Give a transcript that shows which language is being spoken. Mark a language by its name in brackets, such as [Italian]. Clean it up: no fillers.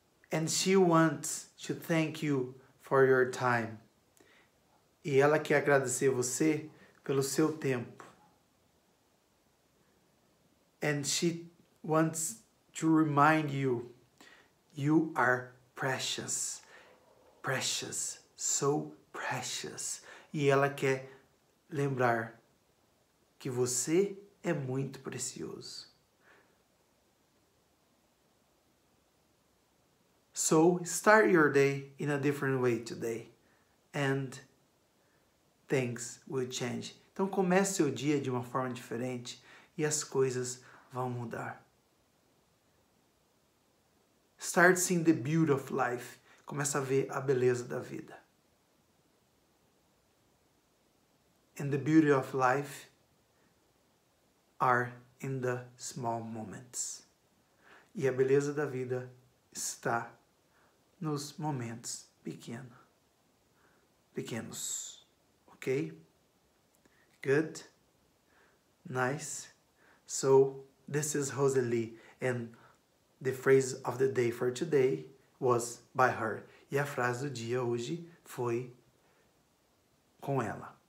[English] And she wants to thank you for your time. [Portuguese] E ela quer agradecer você pelo seu tempo. [English] And she wants to remind you, you are precious. Precious. So precious. [Portuguese] E ela quer lembrar que você é muito precioso. [English] So, start your day in a different way today. And things will change. [Portuguese] Então, comece o dia de uma forma diferente e as coisas vão mudar. [English] Start seeing the beauty of life. [Portuguese] Começa a ver a beleza da vida. [English] And the beauty of life are in the small moments. [Portuguese] E a beleza da vida está nos momentos pequenos. [English] Ok? Good? Nice? So, this is Roseli. And the phrase of the day for today was by her. [Portuguese] E a frase do dia hoje foi com ela.